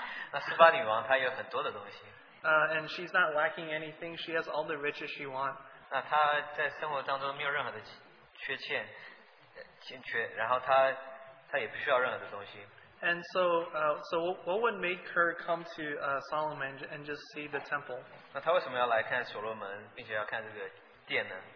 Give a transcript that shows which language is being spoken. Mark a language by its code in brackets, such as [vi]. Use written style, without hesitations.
[zh] 那示巴女王她有很多的东西。 [en] And she's not lacking anything. She has all the riches she wants. [zh] 那她在生活当中没有任何的缺欠。欠缺，然后他也不需要任何的东西。 [en] And so, what would make her come to Solomon and just see the temple? [zh] 那他为什么要来看所罗门，并且要看这个殿呢？